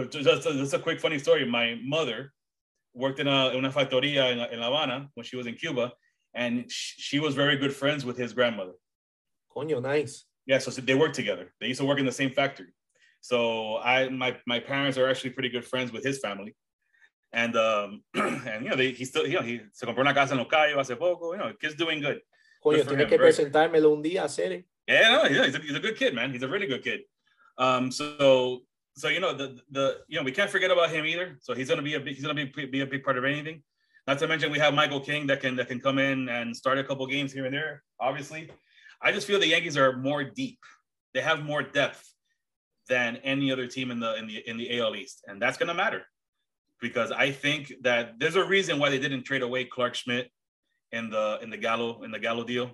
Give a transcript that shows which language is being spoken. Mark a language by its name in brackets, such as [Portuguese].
[English] Just a quick funny story. My mother worked in a factoría in La Habana when she was in Cuba, and she was very good friends with his grandmother. Coño, nice. Yeah, so they worked together. They used to work in the same factory. So my parents are actually pretty good friends with his family, and you know, he [Spanish] se compró una casa en Ocayo hace poco. [English] You know, kid's doing good. [Spanish] Coño, tiene que presentármelo un día, Cere. [English] Yeah, he's a good kid, man. He's a really good kid. So So you know we can't forget about him either. So he's gonna be a big part of anything. Not to mention we have Michael King that can come in and start a couple games here and there. Obviously, I just feel the Yankees are more deep. They have more depth than any other team in the AL East, and that's gonna matter because I think that there's a reason why they didn't trade away Clark Schmidt in the Gallo deal.